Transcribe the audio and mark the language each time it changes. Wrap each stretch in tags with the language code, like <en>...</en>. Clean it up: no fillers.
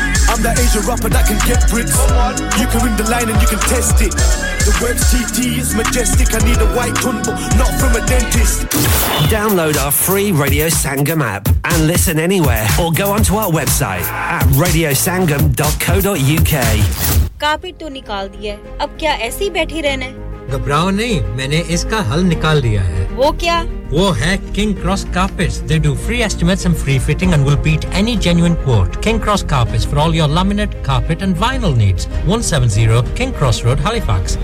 <en>I'm that Asian rapper that can get bricks. Come on, you can ring the line and you can test it. The word CT is majestic. I need a white tone, but not from a dentist. Download our free Radio Sangam app and listen anywhere, or go onto our website at radiosangam.co.uk.</en> <hi>Carpet तो निकाल दिया है, अब क्या ऐसे ही बैठी रहना है? घबराओ नहीं, मैंने इसका हल निकाल दिया है. वो क्या? वो है</hi> <en>King Cross Carpets. They do free estimates and free fitting and will beat any genuine quote. King Cross Carpets for all your laminate, carpet and vinyl needs. 170 King Cross Road, Halifax.</en>